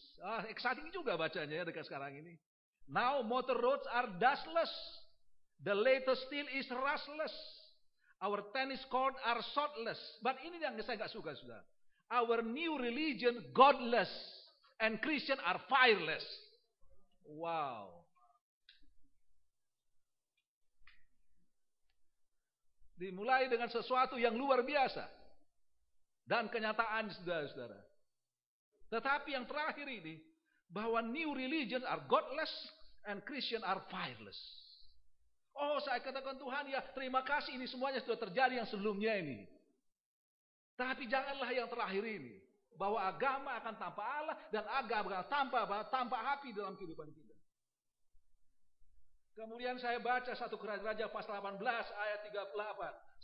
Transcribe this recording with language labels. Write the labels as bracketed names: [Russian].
[Indonesian] Ah, exciting juga bacanya ya dekat sekarang ini. [English] Now motor roads are dustless. The latest steel is rustless. Our tennis court are shotless. [Indonesian] But ini yang saya enggak suka sudah. [English] Our new religion godless and Christian are fireless. Wow. [Indonesian] Dimulai dengan sesuatu yang luar biasa. Dan kenyataan saudara-saudara. Tetapi yang terakhir ini. Bahwa [English] new religion are godless and Christian are fireless. [Indonesian] Oh saya katakan Tuhan ya terima kasih ini semuanya sudah terjadi yang sebelumnya ini. Tapi janganlah yang terakhir ini. Bahwa agama akan tanpa Allah dan agama akan tanpa api dalam kehidupan kita. Kemudian saya baca 1 Raja-Raja pasal 18 ayat 38.